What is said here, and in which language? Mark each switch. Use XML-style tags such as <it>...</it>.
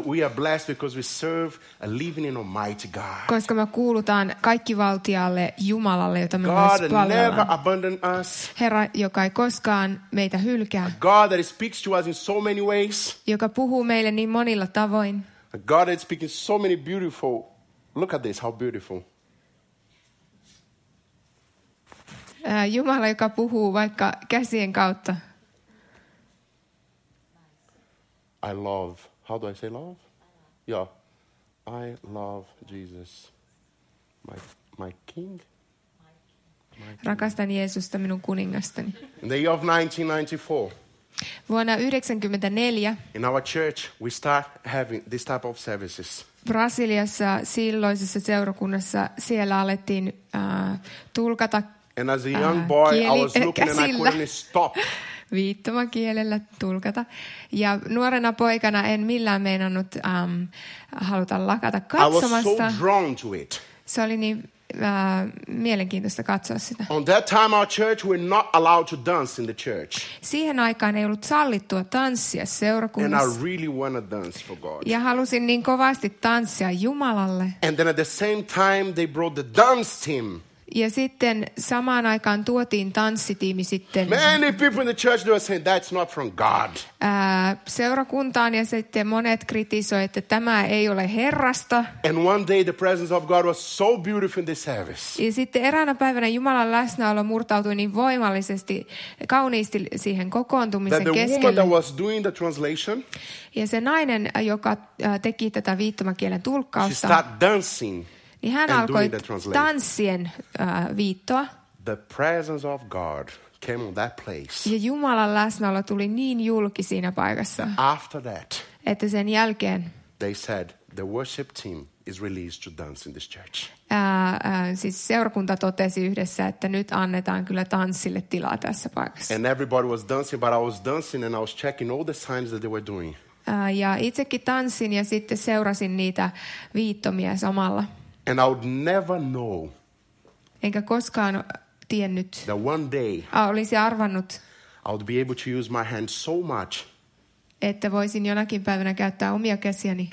<en>We are blessed because we serve a living and almighty God.</en> <fi>Koska me kuulutaan kaikkivaltialle Jumalalle, jota me myös palvellaan.</fi> <en>God never abandon us.</en> <fi>Herra, joka ei koskaan meitä hylkää.</fi> <en>A God that speaks to us in so many ways.</en> <fi>Joka puhuu meille niin monilla tavoin.</fi> <en>A God that speaks so many beautiful. Look at this, how beautiful.</en> <fi>Jumala, joka puhuu vaikka käsien kautta.</fi> <en>I love. How do I say love? Yeah. I love Jesus. My king.</en> <fi>Rakastan Jeesusta, minun kuningastani.</fi> <en>In the year of 1994.</en> <fi>Vuonna 1994.</fi> <en>In our church we start having this type of services.</en> <fi>Brasiliassa silloisessa seurakunnassa siellä alettiin tulkata.</fi> <en>And as a young boy I was looking</en> <fi>käsillä.</fi> <en>And I couldn't stop.</en> <fi>Viittomakielellä tulkata. Ja nuorena poikana en millään meinannut haluta lakata katsomasta.</fi> <en>I was so drawn to it.</en> <fi>Se oli niin mielenkiintoista katsoa sitä.</fi> <en>On that time our church were not allowed to dance in the church.</en> <fi>Siihen aikaan ei ollut sallittua tanssia seurakunnassa.</fi> <en>And I really wanted to dance for God.</en> <fi>Ja halusin niin kovasti tanssia Jumalalle.</fi> <en>And then at the same time they brought the dance team.</en> <fi>Ja sitten samaan aikaan tuotiin tanssitiimi sitten.</fi> <en>Many people in the church were saying that's not from God.</en> <fi>Seurakuntaan ja sitten monet kritisoi, että tämä ei ole Herrasta.</fi> <en>And one day the presence of God was so beautiful in this service.</en> <fi>Ja sitten eräänä päivänä Jumalan läsnäolo murtautui niin voimallisesti, kauniisti siihen kokoontumisen keskelle.</fi> <en>That the woman that was doing the translation.</en> <fi>Ja se nainen, joka teki tätä viittomakielen tulkkausta.</fi> <en>She started dancing.</en> <fi>Niin hän alkoi tanssien viittoa.</fi> <en>The presence of God came on that place.</en> <fi>Ja Jumalan läsnäolo tuli niin julki siinä paikassa.</fi> <en>After that.</en> <fi>Että sen jälkeen.</fi> <en>They said the worship team is released to dance in this church.</en> <fi>Siis seurakunta totesi yhdessä, että nyt annetaan kyllä tanssille tilaa tässä paikassa.</fi> <en>And everybody was dancing, but I was dancing and I was checking all the signs that they were doing.</en> <fi>Ja itsekin tanssin ja sitten seurasin niitä viittomia samalla.</fi> <en>And I would never know.</en> <fi>Enkä koskaan tiennyt.</fi> <en>That one day.</en> <fi>Olisi arvannut.</fi> <en>I would be able to use my hands so much.</en> <fi>Että voisin jonakin päivänä käyttää omia käsiäni.</fi>